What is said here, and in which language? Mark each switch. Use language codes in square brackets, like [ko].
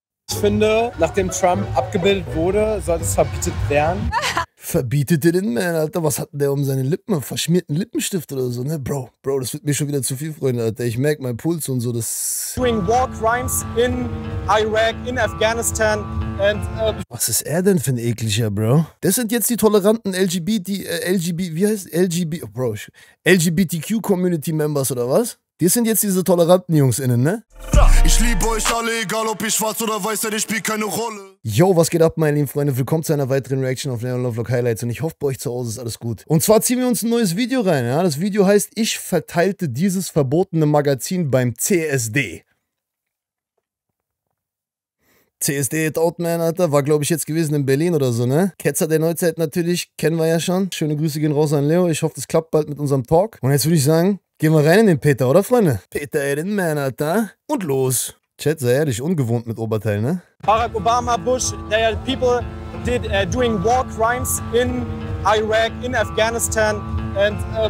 [de] Ich finde, nachdem Trump abgebildet wurde, sollte es verbietet werden. Verbietet ihr den Mann, Alter? Was hat denn der um seine Lippen? Verschmierten Lippenstift oder so, ne? Bro, Bro, das wird mir schon wieder zu viel, Freunde, Alter. Ich merke meinen Puls und so, das... [en] Doing war crimes in Iraq, in Afghanistan and... [de] Was ist er denn für ein ekliger, Bro? Das sind jetzt die toleranten LGBTQ-Community-Members oder was? Die sind jetzt diese toleranten JungsInnen, ne? Ich liebe euch alle, egal ob ich schwarz oder weiß, denn ich spiele keine Rolle. Yo, was geht ab, meine lieben Freunde? Willkommen zu einer weiteren Reaction auf Leon Lovelock Highlights und ich hoffe, bei euch zu Hause ist alles gut. Und zwar ziehen wir uns ein neues Video rein, ja? Das Video heißt, ich verteilte dieses verbotene Magazin beim CSD. CSD Hit Out Man, Alter, war glaube ich jetzt gewesen in Berlin oder so, ne? Ketzer der Neuzeit natürlich, kennen wir ja schon. Schöne Grüße gehen raus an Leo, ich hoffe, das klappt bald mit unserem Talk. Und jetzt würde ich sagen... Gehen wir rein in den Peter, oder Freunde? Peter, ey, den Mann, Alter. Und los. Chat, sei ehrlich, ungewohnt mit Oberteil, ne? [en] Barack Obama, Bush, they are people did doing war crimes in Iraq, in Afghanistan and...